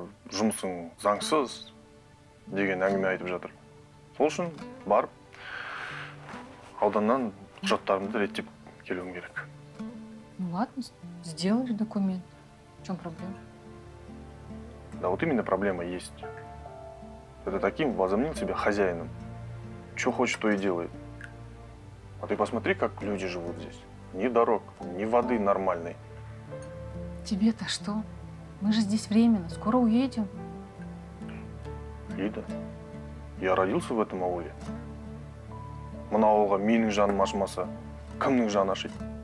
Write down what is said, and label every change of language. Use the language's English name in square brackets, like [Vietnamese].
[Kazakh] Жұмысын заңсыз деген әңгіме айтып жатыр. Сол үшін барып, ауданнан құжаттарымды реттеп келуім керек. [Russian] Ну ладно, сделаешь документ. В чем проблема? Да вот именно проблема есть. Это таким возомнил себя хозяином. Что хочет, то и делает. А ты посмотри, как люди живут здесь. Ни дорог, ни воды нормальной. Тебе-то что? Мы же здесь временно, скоро уедем. Лида, я родился в этом ауле. [Kazakh] Мына ауылға менің жаным ашмаса, кімнің жаны ашиды?